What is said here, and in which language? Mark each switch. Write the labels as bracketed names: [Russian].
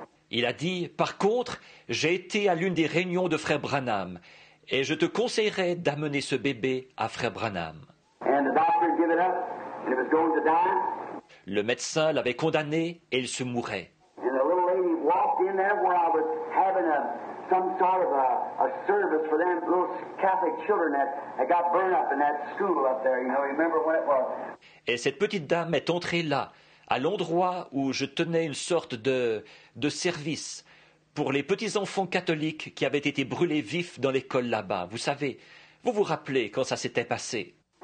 [French] Il a dit, par contre, j'ai été à l'une des réunions de Frère Branham et je te conseillerais d'amener ce bébé à Frère Branham. [English] And the doctor gave it up and it was going to die. [French] Le médecin l'avait condamné et il se mourait. [English] And the little lady walked in there while I was having some sort of a service for them little Catholic children that got burned up in that school up there. You know, remember when it was? [French] Et cette petite dame est entrée là, à l'endroit où je tenais une sorte de service pour les petits-enfants catholiques qui avaient été brûlés vifs dans l'école là-bas. Vous savez, vous vous rappelez quand ça s'était passé.